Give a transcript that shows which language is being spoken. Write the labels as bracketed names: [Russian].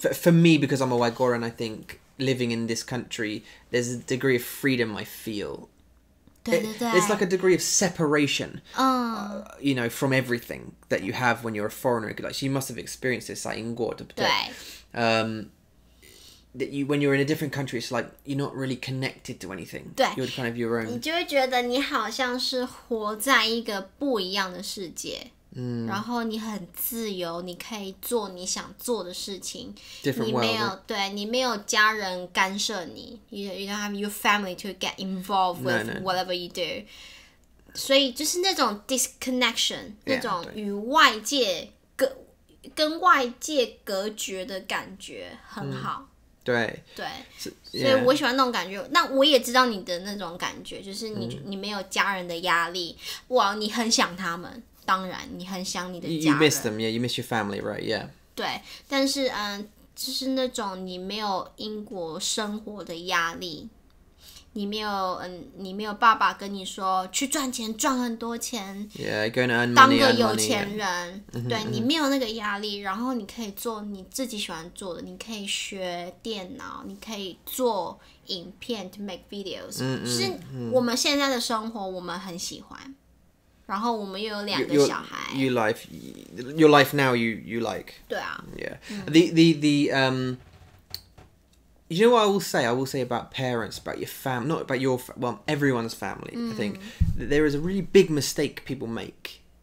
[English] for me because I'm a [Chinese] 外国人, [English] I think living in this country, there's a degree of freedom I feel. It's like a degree of separation,、you know, from everything that you have when you're a foreigner. Like, so you must have experienced this, like, in Guo, to protect. That you, when you're in a different country, it's like you're not really connected to anything. You're kind of your own. [Chinese] 你就会觉得你好像是活在一个不一样的世界。然后你很自由，你可以做你想做的事情。 [English] Different world. [Chinese] 你没有对，你没有家人干涉你。 [English] You don't have your family to get involved with whatever you do. [Chinese] 所以就是那种 disconnection, 那种与外界跟外界隔绝的感觉很好。对。所以我喜欢那种感觉。那我也知道你的那种感觉，就是你没有家人的压力，哇，你很想他们。当然，你很想你的家人。 [English] You miss them, yeah. You miss your family, right? Yeah. [Chinese] 对，但是就是那种你没有英国生活的压力，你没有你没有爸爸跟你说去赚钱，赚很多钱。 [English] Yeah, going to earn money, [Chinese] 当个有钱人， [English] yeah. [Chinese] 对你没有那个压力，然后你可以做你自己喜欢做的，你可以学电脑，你可以做影片 [English] to make videos. [Chinese] 是我们现在的生活，我们很喜欢。然后我们又有两个小孩。 [English] Your life now you like. [Chinese] 对啊。 [English] Yeah. The You know what I will say about parents, about your fam, not about your, well, everyone's family, I think. That there is a really big mistake people make.